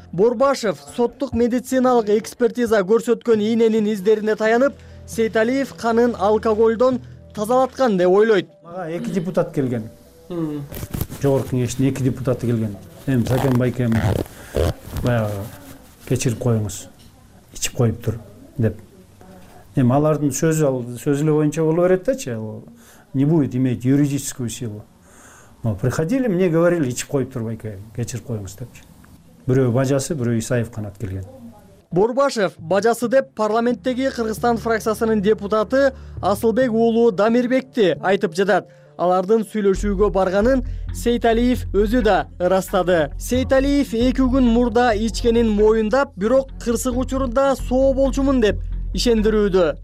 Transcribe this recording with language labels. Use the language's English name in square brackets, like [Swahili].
[Kyrgyz] Борбашев соттук медициналык экспертиза көрсөткөн ийненин издерине таянып, Сейталиев канын алкоголдон тазалаткан деп ойлойт. Мага 2 депутат келген. Жогорку кеңештин 2 депутаты келген. Эми Сакен Байкем баягы кечирип коюңуз. Ичип коюптур деп. Эми алардын сөзү ал сөз эле боюнча боло берет дачы. Ал [Russian] не будет иметь юридическую силу. Но приходили, мне говорили, [Kyrgyz] ичип коюптур Байкем, кечирип коюңуз депчи. Бирөө бажасы, бирөө Исаев канат келген. Борбашев бажасы деп парламенттеги Кыргызстан фракциясынын депутаты Асылбек уулу Дамирбекти айтып жатат. Алардын сүйлөшүүгө барганын Сейталиев өзү да ырастады. Сейталиев 2 күн мурда ичкенин моюндап, бирок кырсык учурунда соо болчумун деп ишендирүүдө.